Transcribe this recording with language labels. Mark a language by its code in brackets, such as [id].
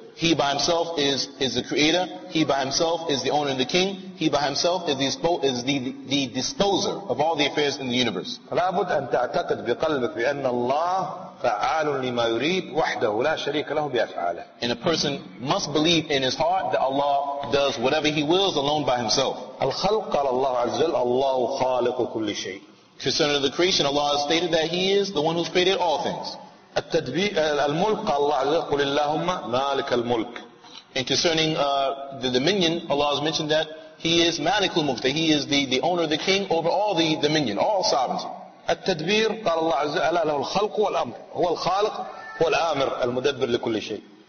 [en] He by Himself is the creator. He by Himself is the owner and the king. He by Himself is the disposer of all the affairs in the universe. [ar] فلا بد أن تعتقد بقلبك بأن الله فعال لما يريد وحده لا شريك له بأفعاله. [en] And a person must believe in his heart that Allah does whatever He wills alone by Himself. [ar] الخلق قال الله عز وجل الله خالق كل شيء. [en] Concerning the creation, Allah has stated that He is the one who's created all things. [ar] الملك قال الله عز وجل اللهم مالك الملك. [en] And concerning the dominion, Allah has mentioned that He is [ar] مالك الملك, [en] that He is the owner, the king over all the dominion, all sovereignty. [ar] التدبير قال الله عز وجل له الخلق والأمر, هو الخالق والآمر المدبر لكل شيء.